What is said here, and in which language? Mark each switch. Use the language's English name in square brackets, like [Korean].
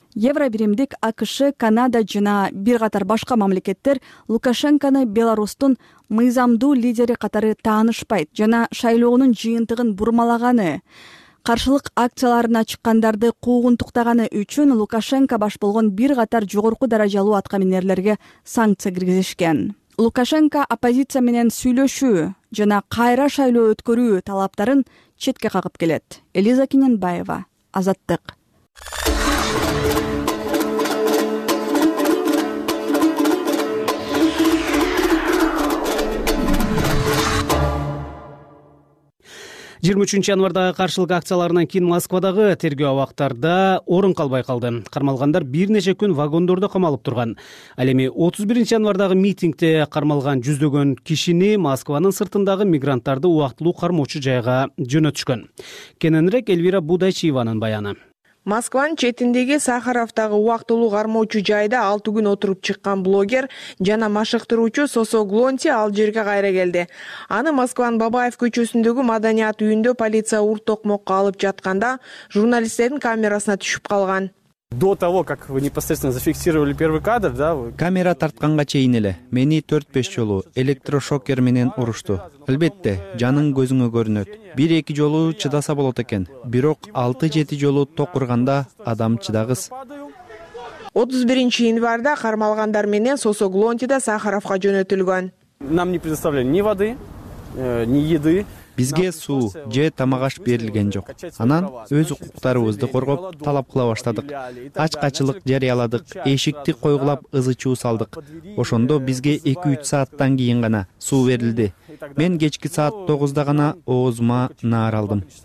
[Kyrgyz] Евробиримдик, АКШ, Канада жана бир катар башка мамлекеттер Лукашенконы Беларусьтун мыйзамдуу лидери катары таанышпайт жана шайлоонун жыйынтыгын бурмалаганы, каршылык акцияларына чыккандарды куугунтуктаганы үчүн Лукашенко баш болгон бир катар жогорку даражалуу аткаминерлерге санкция киргизишкен. Лукашенко оппозиция менен сүйлөшүү жана кайра шайлоо өткөрүү талаптарын четке кагып келет. Элиза Кененбаева, Азаттык. Жыйырма үчүнчү январдагы каршылык акцияларынан кийин Москвадагы тергөө абактарда орун калбай калды. Кармалгандар бир нече күн вагондордо камалып турган. Ал эми 31 январдагы митингде кармалган жүздөгөн кишини Москванын сыртындагы мигранттарды убактылуу кармоочу жайга жөнөтүшкөн. Кененирээк Эльвира Будайчиеванын баяны. Москванын четиндеги Сахаровдагы убактылуу кармоочу жайда 6 күн отуруп чыккан блогер жана машыктыруучу Сосо Глонти ал жерге кайра келди. Аны Москванын Бабаев көчөсүндөгү маданият үйүндө полиция ур токмокко алып жатканда журналисттердин камерасына түшүп калган. [Russian] До того, как вы непосредственно зафиксировали первый кадр, да? [Kyrgyz] Камера тартканга чейин эле мени 4-5 жолу электрошокер менен урушту. Албетте, жаның көзүңө көрүнөт. 1-2 жолу чыдаса болот экен. Бирок 6-7 жолу ток урганда адам чыдагыз. 31 январда кармалгандар менен Сосоглонтида Сахаровго жөнөтүлгөн. [Russian] Нам не предоставлен ни воды, ни еды. [Kyrgyz] Бизге суу, же тамак аш берилген жок. Анан өз укуктарыбызды коргоп, талап кыла баштадык. Ачкачылык жарыяладык, эшикти койгулап ызычуу салдык. Ошондо бизге 2-3 сааттан кийин гана суу берилди. Мен кечки саат 9:00 гана оозума наар алдым.